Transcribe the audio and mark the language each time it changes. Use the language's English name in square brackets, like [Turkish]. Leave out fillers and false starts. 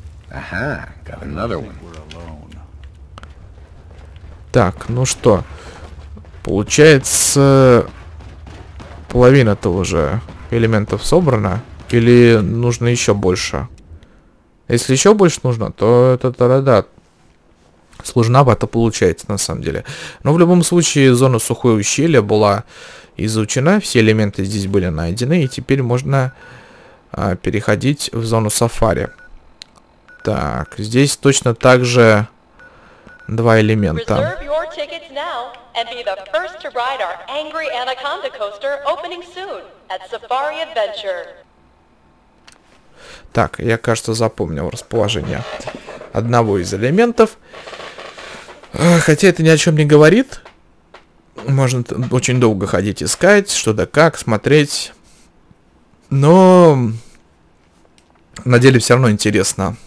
[English] Ага, got another one. [Russian] Так, ну что, получается, половина-то уже элементов собрана, или нужно еще больше? Если еще больше нужно, то это тогда сложновато получается, на самом деле. Но в любом случае, зона сухой ущелья была изучена, все элементы здесь были найдены, и теперь можно переходить в зону сафари. Так, здесь точно так же два элемента. [English] Tickets now and be the first to ride our angry anaconda coaster opening soon at Safari Adventure. [Russian] Так, я, кажется, запомнил расположение одного из элементов. Хотя это ни о чем не говорит. Можно очень долго ходить искать, что да как, смотреть. Но на деле все равно интересно.